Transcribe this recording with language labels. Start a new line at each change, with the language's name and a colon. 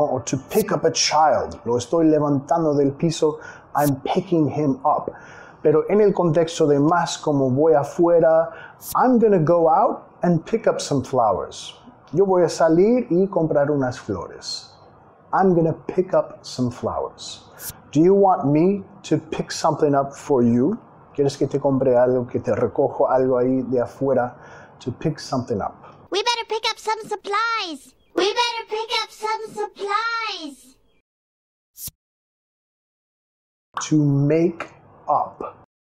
English: Or to pick up a child.
Spanish: Lo estoy levantando del piso.
English: I'm picking him up.
Spanish: Pero en el contexto de más como voy afuera,
English: I'm going to go out and pick up some flowers.
Spanish: Yo voy a salir y comprar unas flores.
English: I'm going to pick up some flowers. Do you want me to pick something up for you?
Spanish: ¿Quieres que te compre algo, que te recojo algo ahí de afuera?
English: To pick something up. We better pick up some supplies. We better pick up some supplies. To make up.